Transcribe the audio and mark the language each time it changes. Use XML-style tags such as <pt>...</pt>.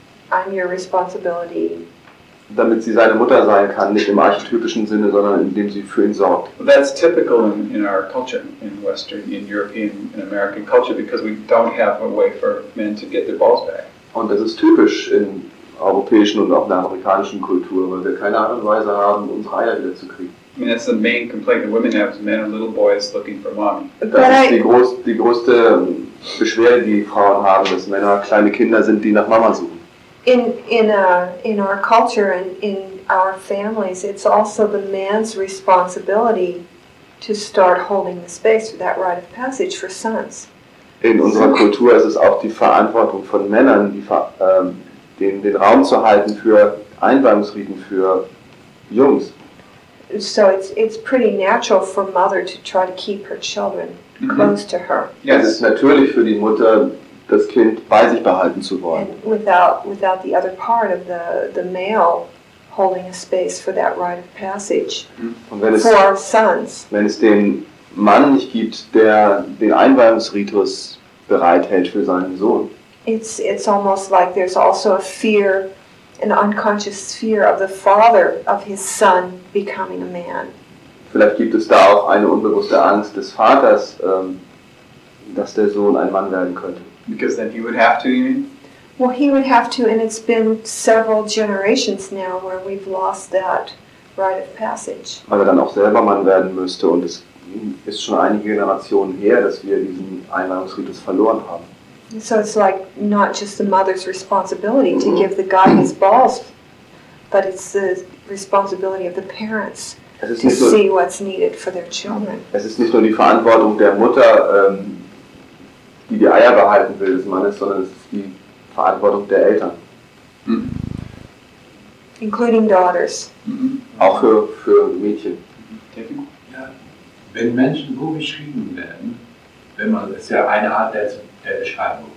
<en>I'm your responsibility.</en> <de>Damit sie seine Mutter sein kann, nicht im archetypischen Sinne, sondern indem sie für ihn sorgt.</de> <en>That's typical in our culture, in Western, in European, in American culture, because we don't have a way for men to get their balls back.</en> <de>Und das ist typisch in europäischen und auch in der amerikanischen Kultur, weil wir keine Art und Weise haben, unsere Eier wieder zu kriegen.</de> <en>I mean, that's the main complaint that women have, is men are little boys looking for mommy.</en> <de>Die größte Beschwerde, die Frauen haben, dass Männer kleine Kinder sind, die nach Mama suchen.</de> <en>In our culture and in our families, it's also the man's responsibility to start holding the space for that rite of passage for sons.</en> <de>In unserer Kultur ist es auch die Verantwortung von Männern, den Raum zu halten für Einweihungsriten für Jungs.</de> <en>So it's pretty natural for mother to try to keep her children close to her. Yes.</en> <de>Es ist natürlich für die Mutter, das Kind bei sich behalten zu wollen.</de> <en>Without the other part of the male holding a space for that rite of passage for sons.</en> <de>Wenn es den Mann nicht gibt, der den Einweihungsritus bereithält für seinen Sohn.</de> <en>It's almost like there's also a fear, an unconscious fear of the father of his son becoming a man.</en> <de>Vielleicht gibt es da auch eine unbewusste Angst des Vaters, dass der Sohn ein Mann werden könnte.</de> <en>Because then he would have to, you mean? Well, he would have to, and it's been several generations now where we've lost that rite of passage.</en> <de>Weil er dann auch selber Mann werden müsste, und es ist schon einige Generationen her, dass wir diesen Einweihungsritus verloren haben.</de> <en>So it's like not just the mother's responsibility to give the guy his balls, but it's the responsibility of the parents to see what's needed for their children.</en> <de>Es ist nicht nur die Verantwortung der Mutter, die die Eier behalten will des Mannes, sondern es ist die Verantwortung der Eltern.</de> <en>Including daughters.</en> <de>Auch für Mädchen. Ja, wenn Menschen so beschrieben werden, wenn man, das ist ja eine Art der Beschreibung.</de>